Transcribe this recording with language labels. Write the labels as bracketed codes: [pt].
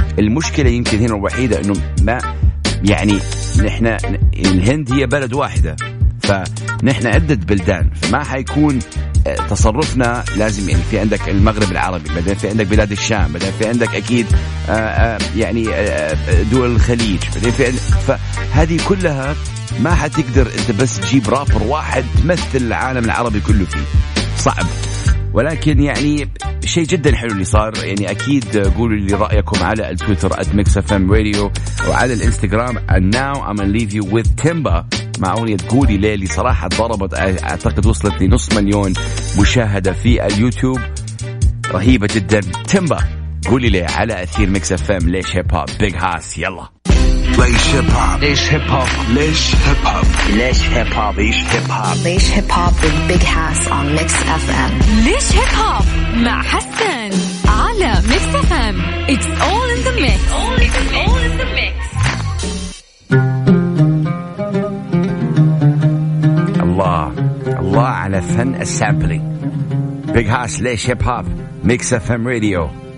[ar] المشكلة يمكن هنا الوحيدة إنه ما يعني نحن الهند هي بلد واحدة, فنحن عدة بلدان, فما حيكون تصرفنا لازم يعني في عندك المغرب العربي, بعدين في عندك بلاد الشام, بعدين في عندك أكيد يعني دول الخليج, بعدين في عندك, فهذه كلها ما حتقدر أنت بس تجيب رابر واحد تمثل العالم العربي كله فيه, صعب. ولكن يعني شيء جدا حلو اللي صار. يعني اكيد قولوا لي رايكم على التويتر @mixfmradio وعلى الانستغرام. [en] And now I'm gonna leave you with Timba [ar] مع أغنية قولي ليلي. صراحة ضربت, أعتقد وصلت لنص مليون مشاهدة في اليوتيوب, رهيبة جدا. تيمبا قولي لي على أثير ميكس اف ام. ليش هيب هوب بيج هاس, يلا. ليش هيب هوب, ليش هيب هوب, ليش هيب هوب, ليش هيب هوب, ليش هيب هوب, ليش هيب هوب, ليش هيب هوب with big hass on mix fm. ليش هيب هوب مع حسن على ميكس اف ام. [en] It's all in the mix, all in the mix. [ar] الله الله على فن السامبلينج. بيج هاس ليش هيب هوب ميكس اف ام راديو.